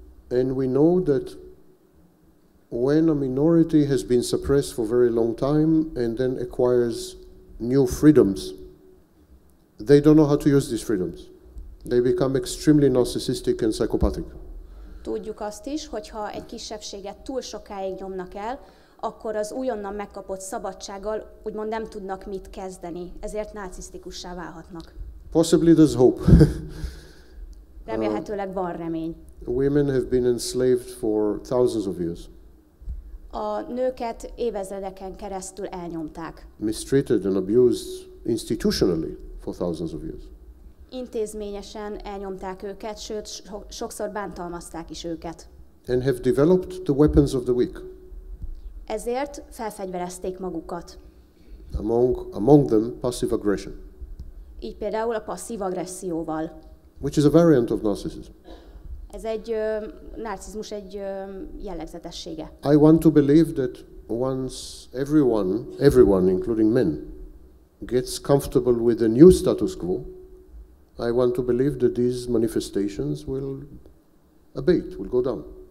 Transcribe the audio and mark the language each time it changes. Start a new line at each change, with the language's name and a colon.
English: And we know that when a minority has been suppressed for very long time and then acquires new freedoms, they don't know how to use these freedoms. They become extremely narcissistic and psychopathic.
Hungarian: Tudjuk azt is, hogyha egy kisebbséget túl sokáig nyomnak el, akkor az újonnan megkapott szabadsággal úgymond nem tudnak mit kezdeni, ezért narcisztikussá válhatnak.
English: Possibly there's hope.
Hungarian: Remélhetőleg van remény.
English: Women have been enslaved for thousands of years.
Hungarian: A nőket évezredeken keresztül elnyomták.
English: Mistreated and abused institutionally for thousands of years.
Hungarian: Intézményesen elnyomták őket, sőt, sokszor bántalmazták is őket.
English: And have developed the weapons of the weak.
Hungarian: Ezért felfegyverezték magukat.
English: Among them, passive aggression.
Hungarian: Így például a passzív agresszióval.
English: Which is a variant of narcissism.
Hungarian: Ez egy narcizmus egy jellegzetessége.
English: I want to believe that once everyone, including men, gets comfortable with the new status quo, I want to believe that these manifestations will abate, will go down.